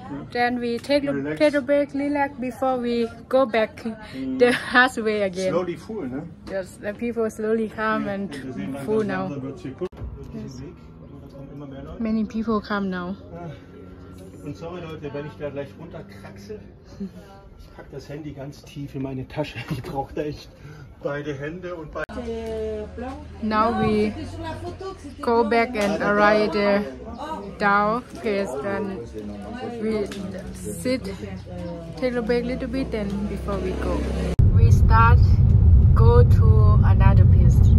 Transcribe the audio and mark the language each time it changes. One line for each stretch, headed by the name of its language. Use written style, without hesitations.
English: Then we take a break, relax before we go back the hard way again. Slowly full, no? Yes, the people slowly come and full now. Yes. Many people come now.
German: Und sorry Leute, wenn ich da gleich runterkraxe, ich pack das Handy ganz tief in meine Tasche. Ich brauche da echt beide Hände und beide.
English: Now we go back and arrive the Dao place, and we sit a little bit then before we go. We start go to another place.